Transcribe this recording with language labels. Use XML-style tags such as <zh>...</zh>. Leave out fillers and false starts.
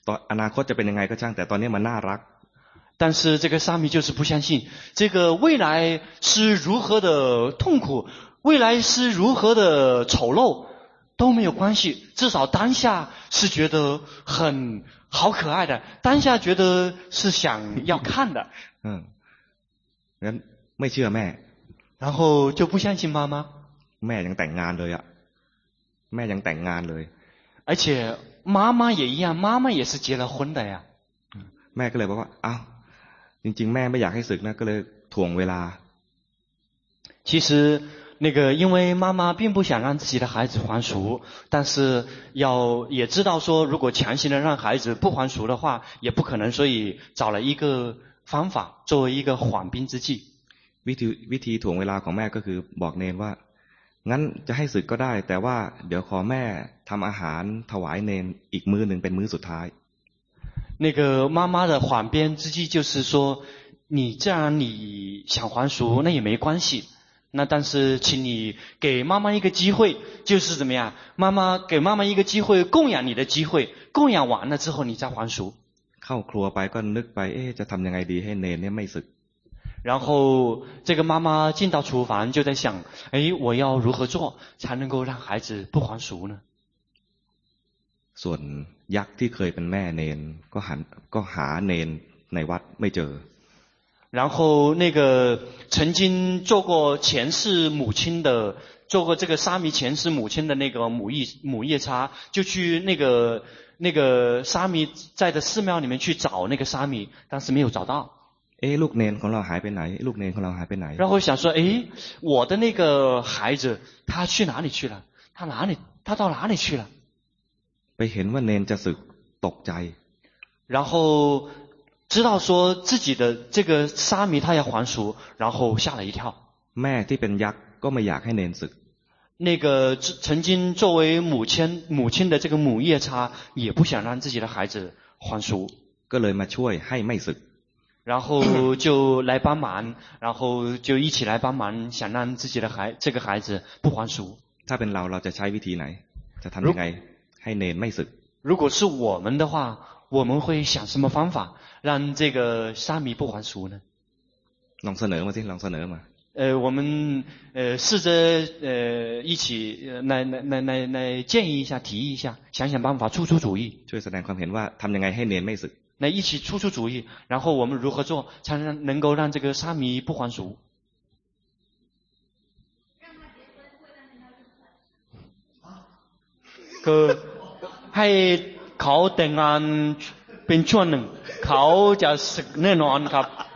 <th>อนาคตจะเป็นยังไงก็ช่างแต่ตอนนี้มันน่ารัก</th> <zh>但是这个沙弥就是不相信这个未来是如何的痛苦未来是如何的丑陋都没有关系至少当下是觉得很好可爱的当下觉得是想要看的</zh> <th>งั้นไม่เชื่อแม่</th> <zh>然后就不相信妈妈</zh> <th>แม่ยังแต่งงานเลยอ่ะแม่ยังแต่งงานเลย</th> <zh>而且妈妈也一样妈妈也是结了婚的呀</zh> <th>แม่ก็เลยบอกว่าอ้าวจริงๆแม่ไม่อยากให้ศึกนะก็เลยถ่วงเวลา</th> <zh>其实那个因为妈妈并不想让自己的孩子还俗但是要也知道说如果强行的让孩子不还俗的话也不可能所以找了一个方法作为一个缓兵之计</zh> <th>วิธีถ่วงเวลาของแม่ก็คือบอกเนนว่างั้นจะให้สึกก็ได้แต่ว่าเดี๋ยวขอแม่ทำอาหารถวายเนนอีกมื้อหนึ่งเป็นมื้อสุดท้าย</th> <zh>那个妈妈的缓兵之计就是说你既然你想还俗那也没关系那但是请你给妈妈一个机会就是怎么样妈妈给妈妈一个机会供养你的机会供养完了之后你再还俗</zh> <th>เข้าครัวไปก็นึกไปจะทำยังไงดีให้เนนเนี่ยไม่สึก</th> <zh>然后这个妈妈进到厨房就在想，哎，我要如何做才能够让孩子不还俗呢？</zh> <th>ส่วนยักษ์ที่เคยเป็นแม่เนนก็หาเนนในวัดไม่เจ</th> <zh>อ然后那个曾经做过前世母亲的做过这个沙弥前世母亲的那个母夜叉就去那个沙弥在的寺庙里面去找那个沙弥但是没有找到</zh> <th>哎ลูกเนนของเราหายไปไหนลูกเนนของเราหายไปไหน</th> <zh>然后想说哎我的那个孩子他去哪里去了他到哪里去了</zh> <th>ไปเห็นว่าเนนจะสึกตกใจ</th> <zh>然后知道说自己的这个沙弥他要还俗然后吓了一跳</zh> <th>แม่ที่เป็นยักษ์ก็ไม่อยากให้เนนสึก</th> <zh>那个曾经作为母亲的这个母夜叉也不想让自己的孩子还俗</zh> <th>ก็เลยมาช่วยให้ไม่สึก</th> <zh>然后就来帮忙然后就一起来帮忙想让自己的孩这个孩子不还俗</zh> <th>ถ้าเป็นเราจะใช้วิธีไหนจะทำยังไงให้เนนไม่สึก</th> <zh>如果是我们的话我们会想什么方法让这个沙弥不还俗呢</zh> <th>ลองเสนอมาสิลองเสนอมา</th> <zh>我们试着一起来建议一下提议一下想想办法出出主意</zh> <th>ช่วยแสดงความเห็นว่าทำยังไงให้เนนไม่สึก</th> <zh>来一起出出主意然后我们如何做才能够让这个沙弥不还俗</zh> <th>ก็ให้เขาแต่งงานเป็นช่วงหนึ่งเขาจะสึกแน่นอนครับ</th>